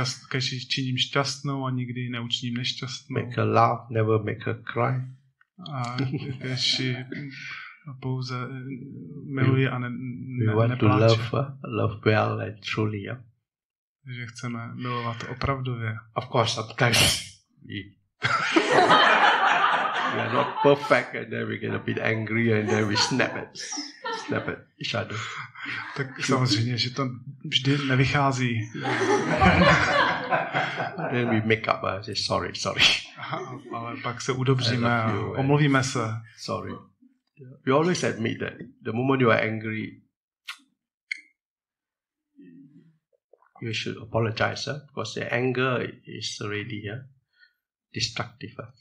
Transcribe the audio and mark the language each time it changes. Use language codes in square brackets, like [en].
[cs] Kež ji činím šťastnou a nikdy neučiním nešťastnou. [en] Make her laugh, never make her cry. [cs] A kež ji pouze miluji a nepláče. [en] We want to love well and truly. Yeah? [cs] Že chceme milovat opravdově. [en] Of course, sometimes we are not perfect and then we get a bit angry and then we snap at each other. [cs] Tak samozřejmě, že to vždy nevychází. [en] Then we make up, I say sorry. [cs] Ale pak se udobříme a omluvíme se. [en] Sorry. We always admit that the moment you are angry, you should apologize, because the anger is already destructive.